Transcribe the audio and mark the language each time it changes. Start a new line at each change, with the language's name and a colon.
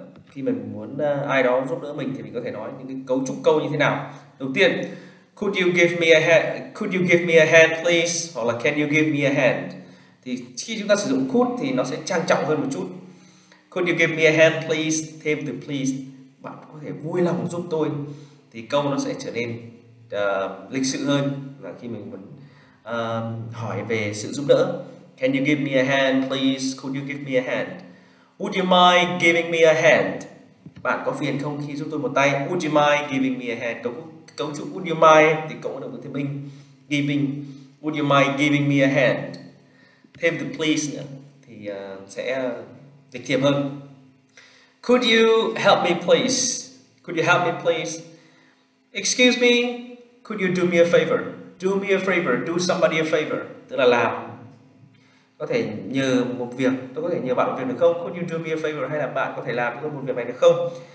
Vietnamese: Khi mình muốn ai đó giúp đỡ mình thì mình có thể nói những cái cấu trúc câu như thế nào. Đầu tiên,
English: Could you give me a hand please?
Vietnamese: Hoặc là
English: can you give me a hand?
Vietnamese: Thì khi chúng ta sử dụng could thì nó sẽ trang trọng hơn một chút.
English: Could you give me a hand please?
Vietnamese: Thêm từ please. Bạn có thể vui lòng giúp tôi. Thì câu nó sẽ trở nên lịch sự hơn. Và khi mình muốn hỏi về sự giúp đỡ.
English: Can you give me a hand please? Could you give me a hand? Would you mind giving me a hand?
Vietnamese: Bạn có phiền không khi giúp tôi một tay?
English: Would you mind giving me a hand?
Vietnamese: Cấu trúc
English: would you mind thì cộng với động thế bình giving, would you mind giving me a hand,
Vietnamese: thêm từ please nữa thì sẽ dịch thiệp hơn.
English: Could you help me please? Could you help me please? Excuse me, could you do me a favor? Do me a favor,
Vietnamese: do somebody a favor, tức là làm, có thể nhờ một việc, tôi có thể nhờ bạn một việc được không?
English: Could you do me a favor,
Vietnamese: hay là bạn có thể làm cho tôi một việc này được không?